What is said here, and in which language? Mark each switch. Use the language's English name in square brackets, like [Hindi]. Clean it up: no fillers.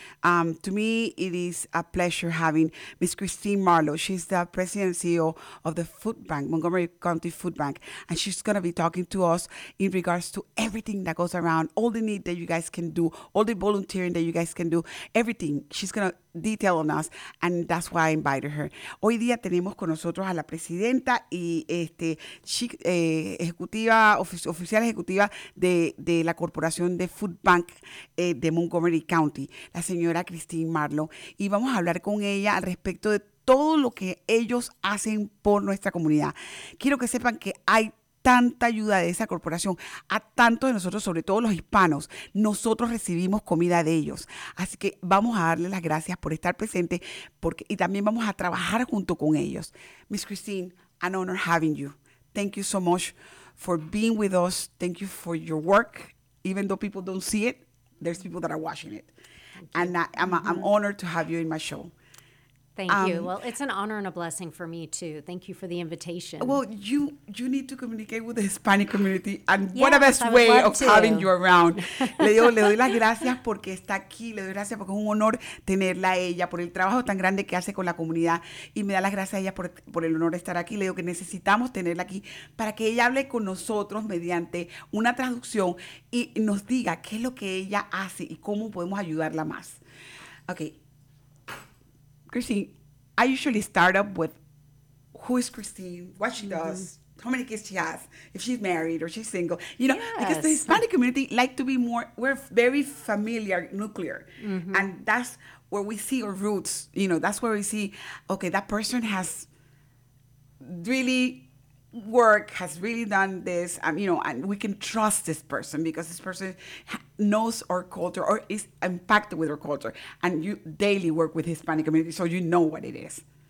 [English] To me, it is a pleasure having Miss Christine Marlowe. She's the president and CEO of the Food Bank, Montgomery County Food Bank. And she's going to be talking to us in regards to everything that goes around, all the need that you guys can do, all the volunteering that you guys can do, everything. She's going to detail on us, and that's why I invited her. [Spanish] Hoy día tenemos con nosotros a la presidenta y oficial ejecutiva de la corporación de Food Bank de Montgomery County, la señora Christine Marlowe, y vamos a hablar con ella al respecto de todo lo que ellos hacen por nuestra comunidad. Quiero que sepan que hay tanta ayuda de esa corporación a tantos de nosotros, sobre todo los hispanos. Nosotros recibimos comida de ellos. Así que vamos a darle las gracias por estar presente y también vamos a trabajar junto con ellos. [English] Miss Christine, an honor having you. Thank you so much for being with us. Thank you for your work. Even though people don't see it, there's people that are watching it. And I'm honored to have you in my show. Thank you. Well, it's an honor and a blessing for me, too. Thank you for the invitation. Well, you need to communicate with the Hispanic community. And yes, what a best way of having you around. [Spanish] Le doy las gracias porque está aquí. Le doy gracias porque es un honor tenerla a ella por el trabajo tan grande que hace con la comunidad. Y me da las gracias a ella por el honor de estar aquí. Le digo que necesitamos tenerla aquí para que ella hable con nosotros mediante una traducción y nos diga qué es lo que ella hace y cómo podemos ayudarla más. [English] Okay. Christine, I usually start up with who is Christine, what she does, how many kids she has, if she's married or she's single. You know, yes. Because the Hispanic community like to be more, we're very familiar, nuclear. Mm-hmm. And that's where we see our roots. You know, that's where we see, okay, that person has really worked, has really done this, you know, and we can trust this person because this person knows our culture or is impacted with our culture, and you daily work with Hispanic community, so you know what it is.